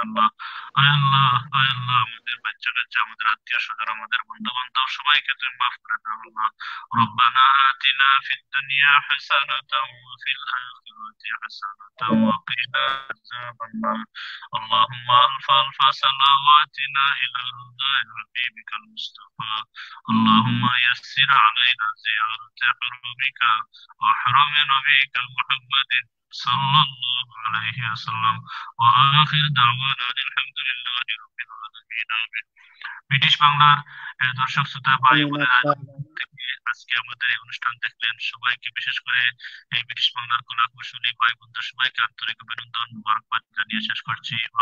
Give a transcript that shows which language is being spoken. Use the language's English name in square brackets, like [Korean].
[Bangla] আল্লাহ আয় আল্লাহ আয় আল্লাহ আমাদের বাচ্চা কাচ্চা, আমাদের আত্মীয় স্বজন, আমাদের বন্ধু বান্ধব সবাইকে তুমি মাফ করে দাও। [Arabic] আল্লাহ রব্বানা আতিনা ফিদ দুনিয়া হাসানাতাও ফিল আখিরাতি হাসানাতাও ওয়া কিনা আযাবান নার। আল্লাহুম্মা আলফাল ফাসালাওয়াতিনা ইলা রিদ্বানিল হাবিবিকাল মুস্তাফা। আল্লাহুম্মা ইয়াসসির আলাইনা زيارة حرمك وحرم نبيك محمد صلى الله عليه وسلم وآخر دعوانا أن الحمد لله رب العالمين. آمين. [Bangla] ব্রিটিশ বাংলার দর্শক শ্রোতা ভাই বোনেরা আজকে আমাদের এই অনুষ্ঠান দেখলেন, সবাইকে বিশেষ করে এই ব্রিটিশ বাংলার কলা কৌশলী ভাই বন্ধু সবাইকে আন্তরিক অভিনন্দন মোবারকবাদ জানিয়ে শেষ করছি।